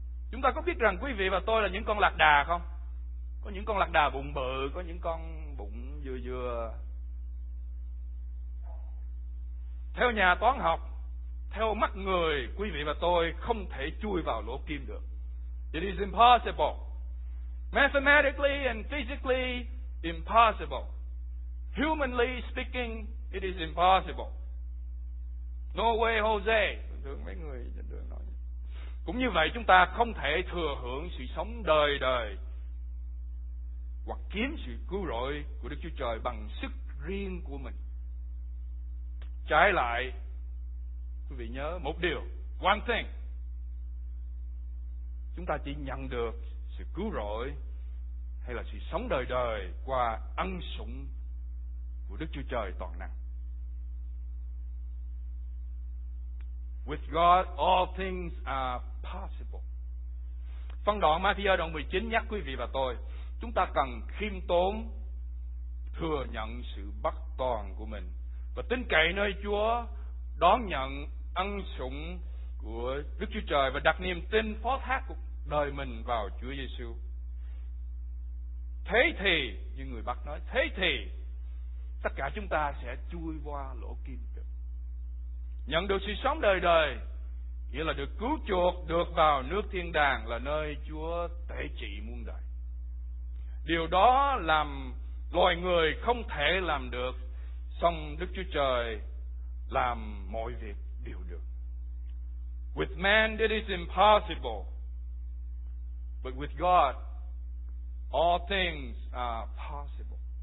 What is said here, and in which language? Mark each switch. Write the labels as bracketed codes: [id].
[vi] Chúng ta có biết rằng quý vị và tôi là những con lạc đà không? Có những con lạc đà bụng bự, có những con bụng vừa vừa. Theo nhà toán học, theo mắt người, quý vị và tôi không thể chui vào lỗ kim được. [en] It is impossible. Mathematically and physically impossible. Humanly speaking, it is impossible. No way, Jose. [vi] Thường mấy người trên đường nói. Cũng như vậy, chúng ta không thể thừa hưởng sự sống đời đời hoặc kiếm sự cứu rỗi của Đức Chúa Trời bằng sức riêng của mình. Trái lại, quý vị nhớ một điều, [en] one thing, [vi] chúng ta chỉ nhận được sự cứu rỗi hay là sự sống đời đời qua ân sủng của Đức Chúa Trời toàn năng. [en] With God, all things are possible. [vi] Phân đoạn Ma-thi-ơ đoạn 19 nhắc quý vị và tôi, chúng ta cần khiêm tốn, thừa nhận sự bất toàn của mình và tin cậy nơi Chúa, đón nhận ân sủng của Đức Chúa Trời và đặt niềm tin phó thác cuộc đời mình vào Chúa Giêsu. Thế thì, như người Bắc nói, thế thì tất cả chúng ta sẽ chui qua lỗ kim được, nhận được sự sống đời đời nghĩa là được cứu chuộc, được vào nước thiên đàng là nơi Chúa tể trị muôn đời. Điều đó làm loài người không thể làm được, song Đức Chúa Trời làm mọi việc đều được. [en] With man it is impossible, but with God all things are possible.